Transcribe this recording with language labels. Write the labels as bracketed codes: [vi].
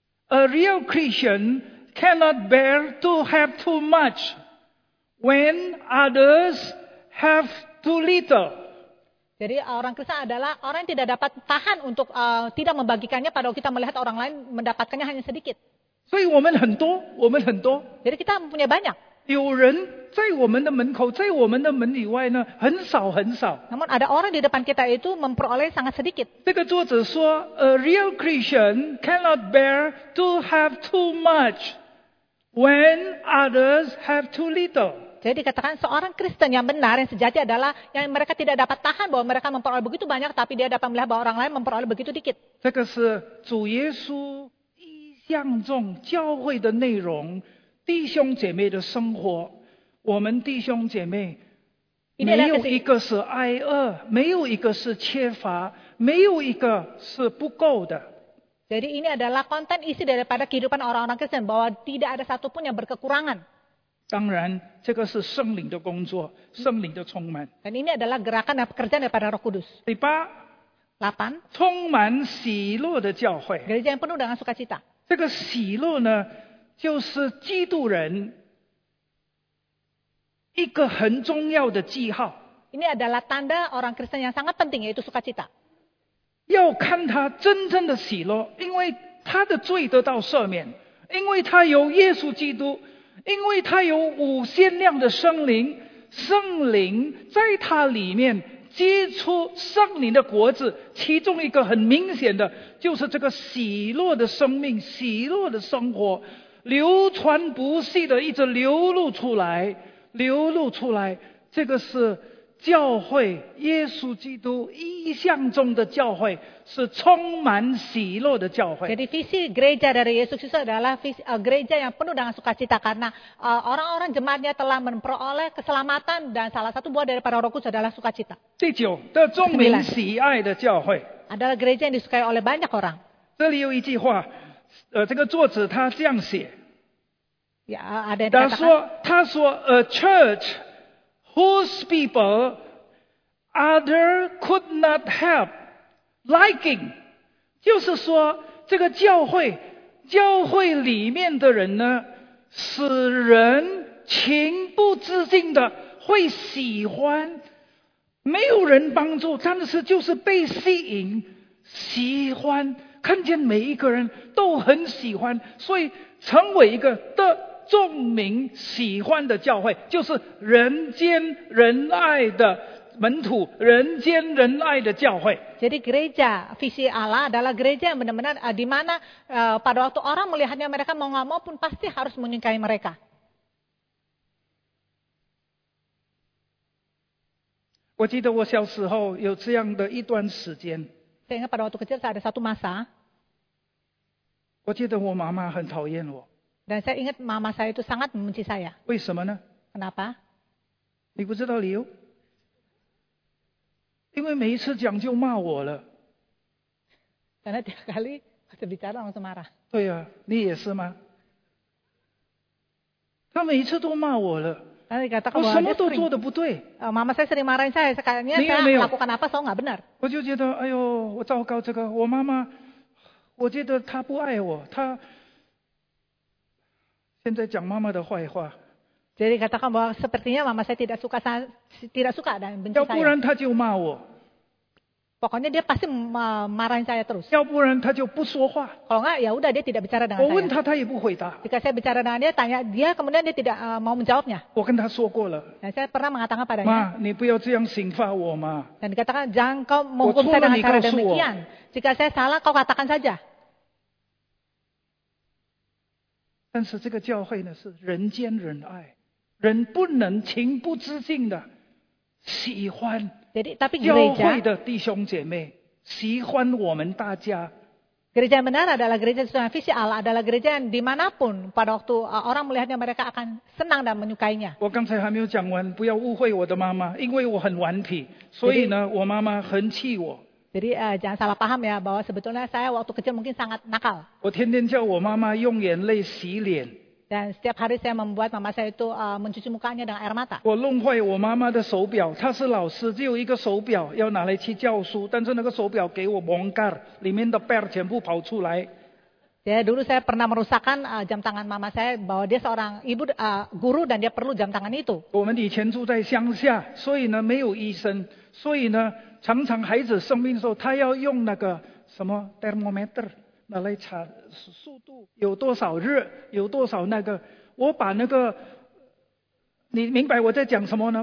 [en] A real Christian cannot bear to have too much when others have too little. [id] Jadi orang Kristen adalah orang yang tidak dapat tahan untuk tidak membagikannya pada kita melihat orang lain mendapatkannya hanya sedikit. [zh] 所以我们很多。 [id] Jadi kita punya banyak. [zh] 有人在我们的门口，在我们的门以外呢，很少很少。 [id] Namun ada orang di depan kita itu memperoleh sangat sedikit. [zh] 这个作者说 [en] ，A real Christian cannot bear to have too much when others have too little. [id] Jadi katakan seorang Kristen yang benar yang sejati adalah yang mereka tidak dapat tahan bahwa mereka memperoleh begitu banyak, tapi dia dapat melihat bahwa orang lain memperoleh begitu dikit. [zh] 这个是主耶稣意象中教会的内容，弟兄姐妹的生活。我们弟兄姐妹没有一个是挨饿，没有一个是缺乏，没有一个是不够的。 [id] Jadi ini adalah konten isi daripada kehidupan orang-orang Kristen bahwa tidak ada satu pun yang berkekurangan. [zh] 当然，这个是圣灵的工作，圣灵的充满。 [id] Dan ini adalah gerakan dan pekerjaan daripada Roh Kudus. [zh] 第八， [id] 8， [zh] 充满喜乐的教会。 [id] Gereja yang penuh dengan sukacita. [zh] 这个喜乐呢，就是基督人一个很重要的记号。 Ini adalah tanda orang Kristen yang sangat penting, yaitu sukacita. 要看他真正的喜乐，因为他的罪得到赦免，因为他有耶稣基督，因为他有无限量的圣灵，圣灵在他里面结出圣灵的果子，其中一个很明显的就是这个喜乐的生命，喜乐的生活流传不息的一直流露出来，流露出来，这个是教会耶稣基督意象中的教会，是充满喜乐的教会。 [id] Jadi visi gereja dari Yesus Kristus adalah visi gereja yang penuh dengan sukacita, karena orang-orang jemaatnya telah memperoleh keselamatan dan salah satu buah daripada Roh Kudus adalah sukacita. [zh] 第九，得众民喜爱的教会。 [id] Adalah gereja yang disukai oleh banyak orang. [zh] 这里有一句话，这个作者他这样写。 [id] Ya, ada yang katakan. Dia kata, [en] a church whose people other could not help liking， [zh] 就是说这个教会里面的人呢，使人情不自禁的会喜欢，没有人帮助，但是就是被吸引喜欢，看见每一个人都很喜欢，所以成为一个的众民喜欢的教会，就是人间仁爱的门徒，人间仁爱的教会。 [id] Jadi gereja visi Allah adalah gereja yang benar-benar di mana pada waktu orang melihatnya mereka mau nggak mau pun pasti harus menyukai mereka. [zh] 我记得我小时候有这样的一段时间。 [id] Saya ingat pada waktu kecil saya ada satu masa. [zh] 我记得我妈妈很讨厌我。 [id] Dan saya ingat mama saya itu sangat membenci saya. [zh] 为什么呢？ [id] Kenapa？ [zh] 你不知道理由？因为每一次讲就骂我了。 [id] Karena tiap kali saya bicara langsung marah. [zh] 对啊，你也是吗？他每一次都骂我了。 [id] Dia kata, [zh] 我什么都做的不对。 [id] Mama saya sering marahin saya. Sekarangnya saya melakukan apa saya nggak benar. [zh] 我就觉得，哎呦，我糟糕这个，我妈妈，我觉得她不爱我，她。现在讲妈妈的坏话。 [id] Jadi katakan bahwa sepertinya mama saya tidak suka dan benci saya. [zh] 要不然他就骂我。 [id] Pokoknya dia pasti marahin saya terus. [zh] 要不然他就不说话。 [id] Kalau enggak ya udah dia tidak bicara dengan saya. [zh] 我问他他也不回答。 [id] Jika saya bicara dengan dia tanya dia kemudian dia tidak mau menjawabnya. [zh] 我跟他说过了。 [id] Dan saya pernah mengatakan padanya. [zh] 妈，你不要这样刑罚我嘛。 [id] Dan dikatakan jangan kau menghukum saya dengan cara demikian. Jika saya salah kau katakan saja. [zh] 但是这个教会呢是人间仁爱，人不能情不自禁的喜欢教会的弟兄姐妹，喜欢我们大家。 [id] Gereja yang benar adalah gereja sesuai visi Allah, adalah gereja yang dimanapun pada waktu orang melihatnya mereka akan senang dan menyukainya. [zh] 我刚才还没有讲完，不要误会我的妈妈，因为我很顽皮，所以呢，我妈妈很气我。 [id] Jadi jangan salah paham ya bahwa sebetulnya saya waktu kecil mungkin sangat nakal. [zh] 我天天叫我妈妈用眼泪洗脸。 [id] Dan setiap hari saya membuat mama saya itu mencuci mukanya dengan air mata. [zh] 我弄坏我妈妈的手表，她是老师，只有一个手表要拿来去教书，但是那个手表给我bongkar，里面的bell全部跑出来。 [id] Jadi dulu saya pernah merusakkan jam tangan mama saya bahwa dia seorang ibu guru dan dia perlu jam tangan itu. [zh] 我们以前住在乡下，所以呢没有医生，所以呢。常常孩子生病的时候，他要用那个什么 thermometer 拿来查速度有多少热，有多少那个。我把那个，你明白我在讲什么呢？